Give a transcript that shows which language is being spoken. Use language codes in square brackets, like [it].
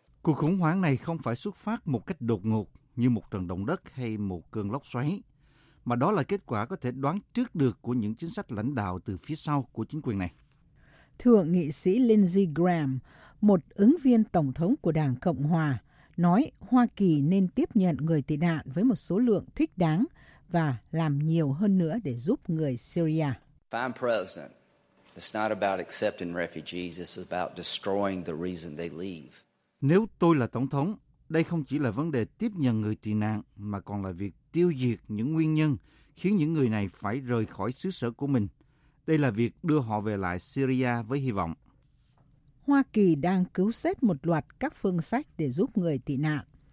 [vi] Cuộc khủng hoảng này không phải xuất phát một cách đột ngột như một trận động đất hay một cơn lốc xoáy, mà đó là kết quả có thể đoán trước được của những chính sách lãnh đạo từ phía sau của chính quyền này. Thượng nghị sĩ Lindsey Graham, một ứng viên tổng thống của Đảng Cộng Hòa, nói Hoa Kỳ nên tiếp nhận người tị nạn với một số lượng thích đáng và làm nhiều hơn nữa để giúp người Syria. [en] If I'm president, it's not about accepting refugees, it's about destroying the reason they leave. [vi] Nếu tôi là tổng thống, đây không chỉ là vấn đề tiếp nhận người tị nạn mà còn là việc tiêu diệt những nguyên nhân khiến những người này phải rời khỏi xứ sở của mình. Đây là việc đưa họ về lại Syria với hy vọng. Hoa Kỳ đang cứu xét một loạt các phương sách để giúp người tị nạn.